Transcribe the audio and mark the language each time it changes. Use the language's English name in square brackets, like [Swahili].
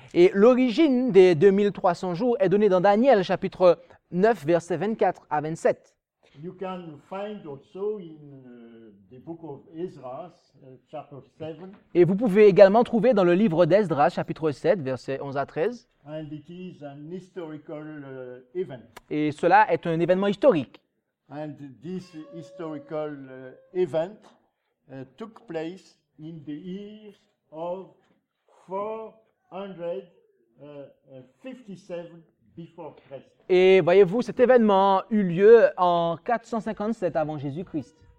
[French] Et l'origine des 2300 jours est donnée dans Daniel chapitre 9, versets 24 à 27. [English] You can find also in the book of Ezra, chapter 7. [French] Et vous pouvez également trouver dans le livre d'Esdras, chapitre 7, versets 11 à 13. [English] And it is an historical event. [French] Et cela est un événement historique. [English] And this historical event took place in the year of 457. [French] Et voyez-vous, cet événement eut lieu en 457 avant Jésus-Christ.